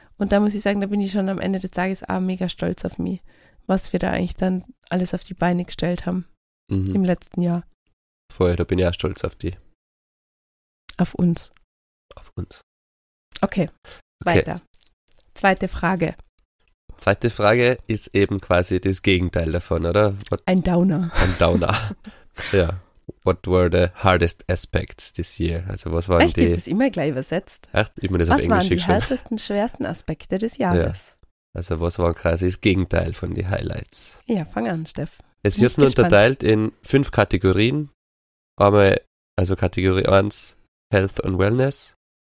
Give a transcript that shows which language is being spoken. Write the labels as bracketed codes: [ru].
[de] Und da muss ich sagen, da bin ich schon am Ende des Tages auch mega stolz auf mich, was wir da eigentlich dann alles auf die Beine gestellt haben im letzten Jahr. Vorher, da bin ich auch stolz auf die. Auf uns. Auf uns. Okay, weiter. Zweite Frage. Zweite Frage ist eben quasi das Gegenteil davon, oder? Ein Downer. Ein Downer, ja. [en] What were the hardest aspects this year? [de] Also was waren echt, die? Echt, das immer gleich übersetzt. Echt, ich meine das was auf Englisch geschrieben. Was waren die härtesten, schwersten Aspekte des Jahres? Ja. Also was waren quasi das Gegenteil von den Highlights? Ja, fang an, Steff. Es wird nur unterteilt in 5 Kategorien. Einmal, also Kategorie 1, [en] Health and Wellness.